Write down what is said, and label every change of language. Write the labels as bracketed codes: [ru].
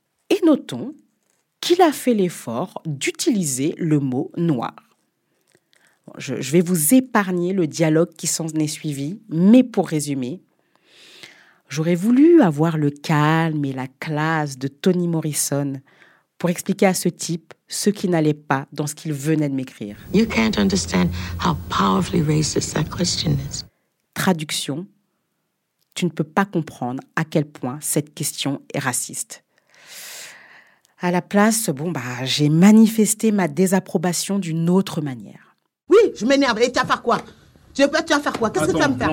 [fr] Et notons qu'il a fait l'effort d'utiliser le mot « noir ». Je vais vous épargner le dialogue qui s'en est suivi, mais pour résumer, j'aurais voulu avoir le calme et la classe de Toni Morrison pour expliquer à ce type ce qui n'allait pas dans ce qu'il venait de m'écrire. [en] You can't understand how powerfully racist that question is. [fr] Traduction, tu ne peux pas comprendre à quel point cette question est raciste. À la place, bon, bah, j'ai manifesté ma désapprobation d'une autre manière. Oui, je m'énerve. Et tu vas faire quoi? Tu vas faire quoi? Qu'est-ce Attends, que tu vas me faire?